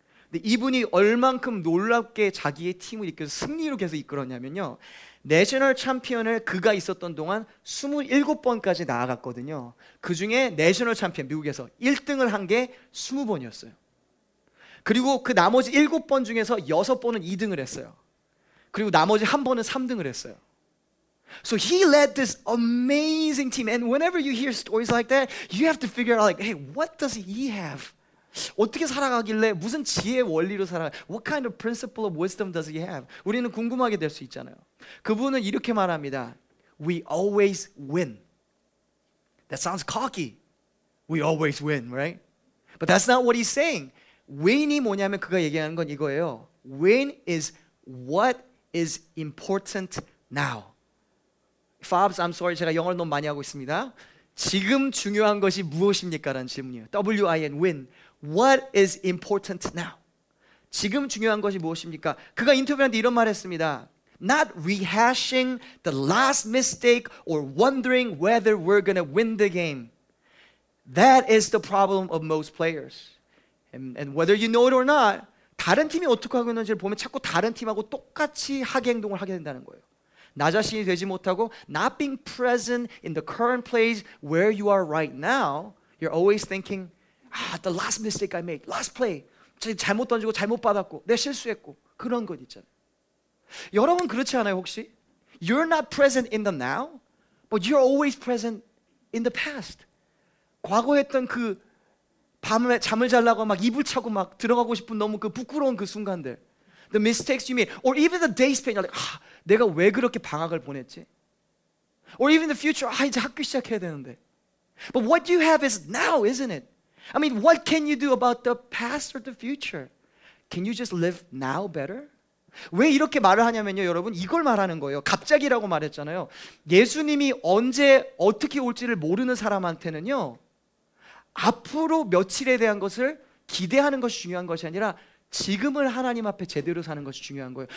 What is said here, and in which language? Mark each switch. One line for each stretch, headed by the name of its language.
Korean: 근데 이분이 얼만큼 놀랍게 자기의 팀을 이끌어 승리로 계속 이끌었냐면요, 내셔널 챔피언을 그가 있었던 동안 27번까지 나아갔거든요. 그 중에 내셔널 챔피언, 미국에서 1등을 한 게 20번이었어요. 그리고 그 나머지 7번 중에서 6번은 2등을 했어요. 그리고 나머지 한 번은 3등을 했어요.
English: So he led this amazing team. And whenever you hear stories like that, you have to figure out like, hey, what does he have?
Korean: 어떻게 살아가길래, 무슨 지혜의 원리로 살아가,
English: What kind of principle of wisdom does he have?
Korean: 우리는 궁금하게 될 수 있잖아요. 그분은 이렇게 말합니다.
English: We always win. That sounds cocky. We always win, right? But that's not what he's saying.
Korean: Win이 뭐냐면 그가 얘기하는 건 이거예요.
English: Win is what is important now. Fobs, I'm sorry.
Korean: 제가 영어를 너무 많이 하고 있습니다. 지금 중요한 것이 무엇입니까? 라는 질문이에요.
English: W-I-N, win. What is important now?
Korean: 지금 중요한 것이 무엇입니까? 그가 인터뷰하는데 이런 말을 했습니다.
English: Not rehashing the last mistake or wondering whether we're going to win the game. That is the problem of most players. And whether you know it or not,
Korean: 다른 팀이 어떻게 하고 있는지를 보면 자꾸 다른 팀하고 똑같이 하계 행동을 하게 된다는 거예요. 나 자신이 되지 못하고
English: not being present in the current place where you are right now, you're always thinking, the last mistake I made, last play.
Korean: 잘못 던지고 잘못 받았고 내가 실수했고 그런 것 있잖아요. 여러분 그렇지 않아요 혹시?
English: You're not present in the now, but you're always present in the past.
Korean: 과거 했던 그 밤에 잠을 자려고 막 이불 차고 막 들어가고 싶은 너무 그 부끄러운 그 순간들.
English: The mistakes you made, or even the days spent, you're like,
Korean: 내가 왜 그렇게 방학을 보냈지?
English: Or even the future,
Korean: 이제 학교 시작해야 되는데.
English: But what you have is now, isn't it? I mean, what can you do about the past or the future? Can you just live now better?
Korean: 왜 이렇게 말을 하냐면요, 여러분 이걸 말하는 거예요. 갑자기라고 말했잖아요. 예수님이 언제 어떻게 올지를 모르는 사람한테는요, 앞으로 며칠에 대한 것을 기대하는 것이 중요한 것이 아니라 지금을 하나님 앞에 제대로 사는 것이 중요한 거예요.